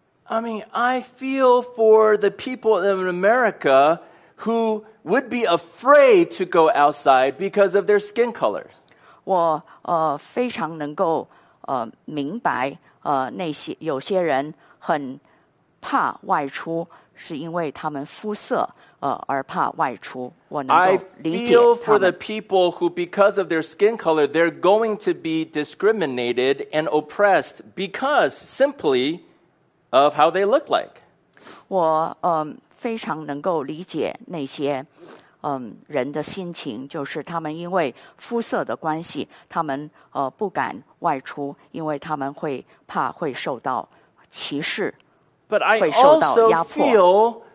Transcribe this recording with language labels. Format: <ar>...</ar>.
<en>I mean, I feel for the people in America who would be afraid to go outside because of their skin colors.</en> <zh>我非常能够明白那些有些人很怕外出，是因为他们肤色而怕外出。我能够理解他们。</zh> <en>I feel for the people who, because of their skin color, they're going to be discriminated and oppressed because simply of how they look like.</en> <zh>我非常能够理解那些人的心情，就是他们因为肤色的关系，他们不敢外出，因为他们会怕会受到歧视，会受到压迫。</zh> <en>But I also feel</en>